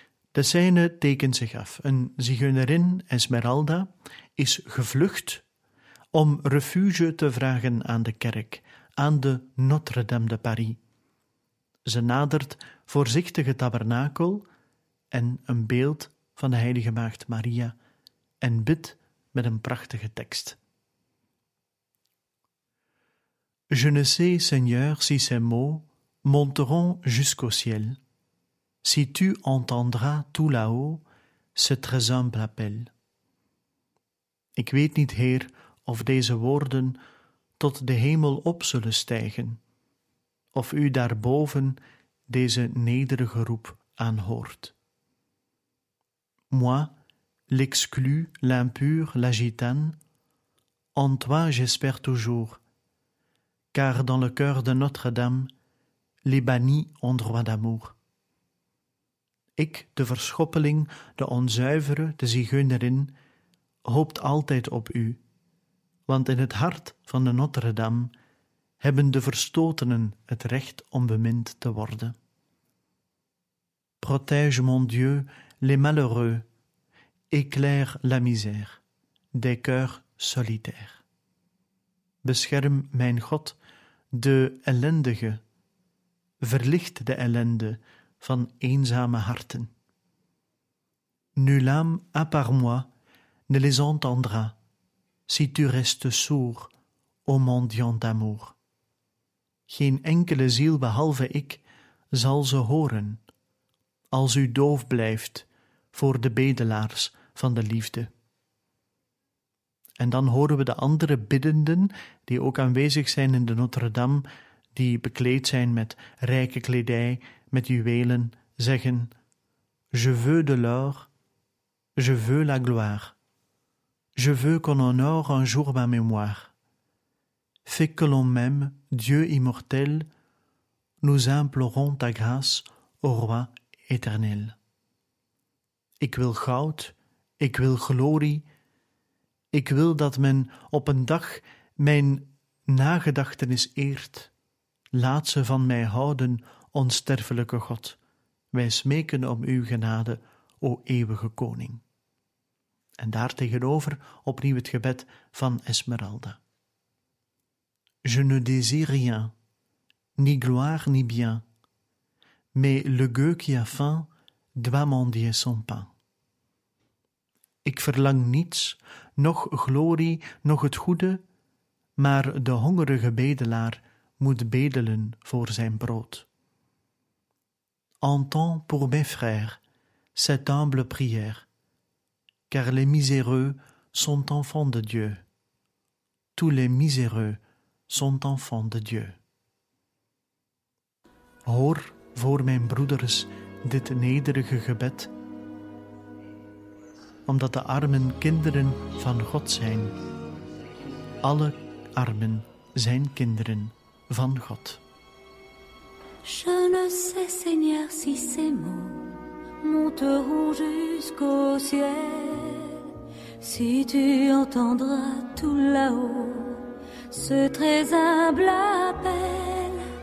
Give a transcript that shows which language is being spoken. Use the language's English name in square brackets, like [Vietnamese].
[Dutch] De scène tekent zich af. Een zigeunerin, Esmeralda, is gevlucht om refuge te vragen aan de kerk, aan de Notre-Dame de Paris. Ze nadert voorzichtig het tabernakel en een beeld van de heilige maagd Maria en bidt met een prachtige tekst. [French] Je ne sais, Seigneur, si ces mots monteront jusqu'au ciel, si tu entendras tout là-haut ce très humble appel. [Dutch] Ik weet niet, Heer, of deze woorden tot de hemel op zullen stijgen, of u daarboven deze nederige roep aanhoort. [French] Moi, l'exclu, l'impur, la gitane, en toi j'espère toujours, car dans le cœur de Notre-Dame, les bannis ont droit d'amour. [Dutch] Ik, de verschoppeling, de onzuivere, de zigeunerin, hoopt altijd op u, want in het hart van de Notre-Dame hebben de verstotenen het recht om bemind te worden. [French] Protège, mon Dieu, les malheureux, éclaire la misère, des cœurs solitaires. [Dutch] Bescherm, mijn God, de ellendige, verlicht de ellende van eenzame harten. [French] Nulle âme à part moi ne les entendra si tu restes sourd, ô mendiant d'amour. [Dutch] Geen enkele ziel behalve ik zal ze horen, als u doof blijft voor de bedelaars van de liefde. En dan horen we de andere biddenden, die ook aanwezig zijn in de Notre-Dame, die bekleed zijn met rijke kledij, met juwelen, zeggen: [French] Je veux de l'or, je veux la gloire, je veux qu'on honore un jour ma mémoire. Fais que l'on m'aime, Dieu immortel, nous implorons ta grâce, ô roi éternel. [Dutch] Ik wil goud, ik wil glorie, ik wil dat men op een dag mijn nagedachtenis eert. Laat ze van mij houden, onsterfelijke God. Wij smeken om uw genade, o eeuwige koning. En daartegenover opnieuw het gebed van Esmeralda. [French] Je ne désire rien, ni gloire ni bien, mais le gueux qui a faim doit mendier son pain. [Dutch] Ik verlang niets, nog glorie, nog het goede, maar de hongerige bedelaar moet bedelen voor zijn brood. [French] Entends pour mes frères cette humble prière, car les miséreux sont enfants de Dieu. Tous les miséreux sont enfants de Dieu. [Dutch] Hoor voor mijn broeders dit nederige gebed, omdat de armen kinderen van God zijn. Alle armen zijn kinderen van God. [French] Je ne sais, Seigneur, si ces mots monteront jusqu'au ciel, si tu entendras tout là-haut ce très humble appel.